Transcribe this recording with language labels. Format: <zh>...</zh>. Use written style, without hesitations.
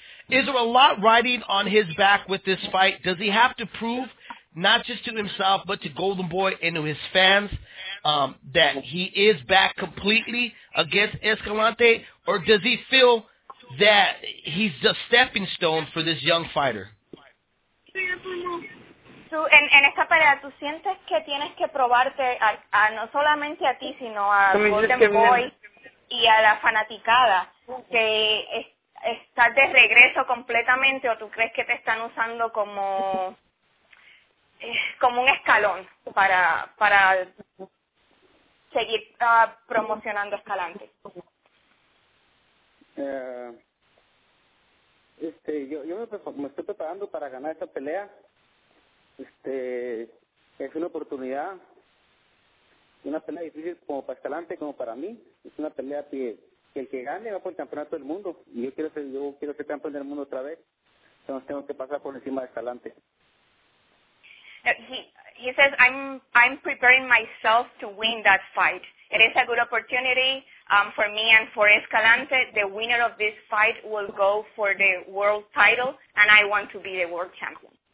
<en>Is there a lot riding on his back with this fight? Does he have to prove, not just to himself, but to Golden Boy and to his fans, that he is back completely against Escalante? Or does he feel that he's the stepping stone for this young fighter?</en> <es>Tú en esta pelea, ¿tú sientes que tienes que probarte a no solamente a ti, sino a Golden Boy y a la fanaticada, que estás de regreso completamente, o tú crees que te están usando como como un escalón para seguir promocionando Escalante? Yo me estoy preparando para ganar esta pelea. Es una oportunidad, una pelea difícil como para Escalante como para mí. Es una pelea que el que gane va por el campeonato del mundo, y yo quiero ser campeón del mundo otra vez. Entonces tengo que pasar por encima de Escalante.</es> <en>He says I'm preparing myself to win that fight. It is a good opportunity for me and for Escalante. The winner of this fight will go for the world title, and I want to be the world champion.</en>